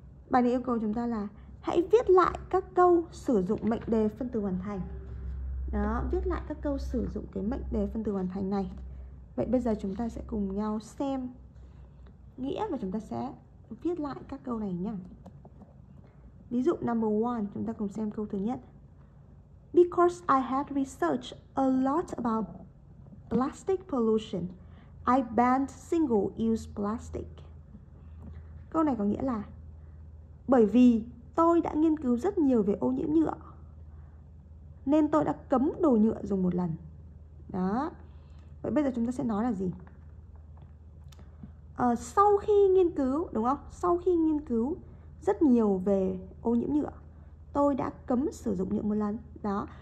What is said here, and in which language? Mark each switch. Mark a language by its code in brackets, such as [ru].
[vi] Bài này yêu cầu chúng ta là hãy viết lại các câu sử dụng mệnh đề phân từ hoàn thành. Đó, viết lại các câu sử dụng cái mệnh đề phân từ hoàn thành này. Vậy bây giờ chúng ta sẽ cùng nhau xem nghĩa và chúng ta sẽ viết lại các câu này nhé. Ví dụ [en] number one, [vi] chúng ta cùng xem câu thứ nhất. [en] Because I had researched a lot about plastic pollution, I banned single-use plastic. [vi] Câu này có nghĩa là bởi vì tôi đã nghiên cứu rất nhiều về ô nhiễm nhựa nên tôi đã cấm đồ nhựa dùng một lần. Đó. Vậy bây giờ chúng ta sẽ nói là gì? Sau khi nghiên cứu, đúng không? Sau khi nghiên cứu rất nhiều về ô nhiễm nhựa, tôi đã cấm sử dụng nhựa một lần. Đó.